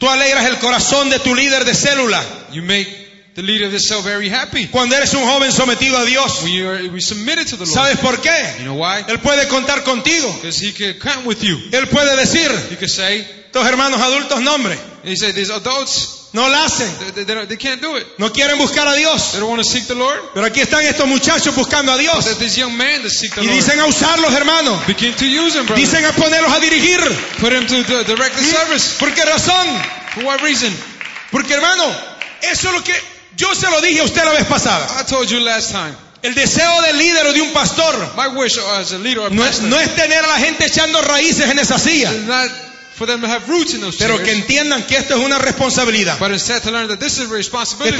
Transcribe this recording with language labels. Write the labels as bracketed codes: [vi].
[es] Tú alegras el corazón de tu líder de célula. [en] You make the leader of this cell very happy. [es] Cuando eres un joven sometido a Dios, [en] we submitted to the Lord. [es] ¿Sabes por qué? [en] You know why? [es] Él puede contar contigo. [en] Because he can count with you. [es] Él puede decir. [en] He can say. [es] Estos hermanos adultos, nombre. [en] He said these adults. [es] No lo hacen. [en] They can't do it. [es] No quieren buscar a Dios. [en] They don't want to seek the Lord. [es] Pero aquí están estos muchachos buscando a Dios. [en] But these young men that seek the [es] y [en] Lord. [es] Y dicen a usarlos, hermano. [en] Begin to use them, brother. [es] Dicen a ponerlos a dirigir. [en] Put them to direct the service. [es] ¿Por qué razón? [en] For what reason? [es] Porque, hermano, eso es lo que yo se lo dije a usted la vez pasada. [en] I told you last time. [es] El deseo del líder o de un pastor. [en] My wish as a leader or pastor. [es] No es tener a la gente echando raíces en esa silla. [en] It's not for them to have roots in those [es] pero [en] chairs. [es] Que entiendan que esto es una responsabilidad. [en] But instead to learn that this is a responsibility.